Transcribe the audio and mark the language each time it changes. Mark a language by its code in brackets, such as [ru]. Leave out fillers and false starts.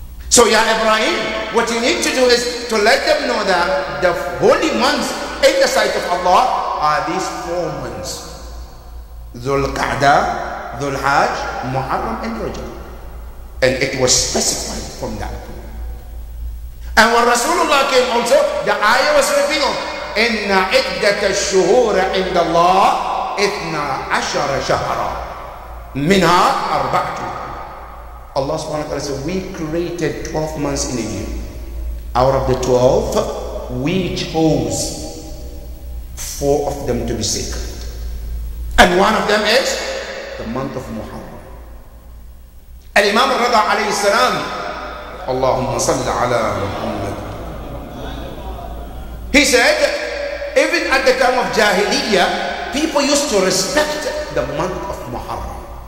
[en] So Ya Ibrahim, what you need to do is to let them know that the holy months in the sight of Allah are these 4 months: Dhul Qa'dah, Dhul Hajj, Muharram, and Rajab. And it was specified from that. And when Rasulullah came also, the ayah was revealed, [ar] إِنَّ عِدَّةَ الشُّهُورَ عِنْدَ اللَّهِ إِثْنَى عَشَرَ شَهْرًا مِنْهَا أَرْبَعَةٌ. [en] Allah subhanahu wa ta'ala said, we created 12 months in a year. Out of the 12, we chose 4 of them to be sacred. And one of them is the month of Muharram. Al-Imam al-Ridha alayhi salam, Allahumma salli ala Muhammad, he said, even at the time of Jahiliyyah, people used to respect the month of Muharram.